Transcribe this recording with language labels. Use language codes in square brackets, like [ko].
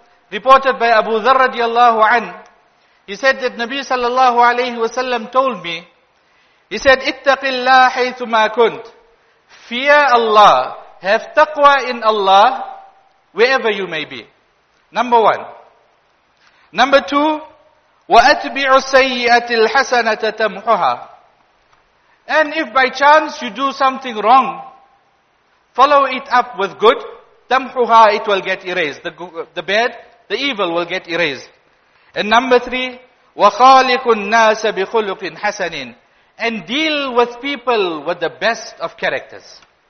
[en] Reported by Abu Dharr radiallahu an, he said that Nabi sallallahu alayhi wa sallam told me, he said, [ar] اتَّقِ اللَّهَ حَيْثُمَا كُنْتْ. [en] Fear Allah, have taqwa in Allah, wherever you may be. Number one. Number two, [ar] وَأَتْبِعُ السَّيِّئَةِ الْحَسَنَةَ تَمْحُهَا. [en] And if by chance you do something wrong, follow it up with good. [ar] تَمْحُهَا, [en] it will get erased. The bad, the evil will get erased. And number three, [ar] وَخَالِقُ النَّاسَ بِخُلُقٍ حَسَنٍ. [en] And deal with people with the best of characters.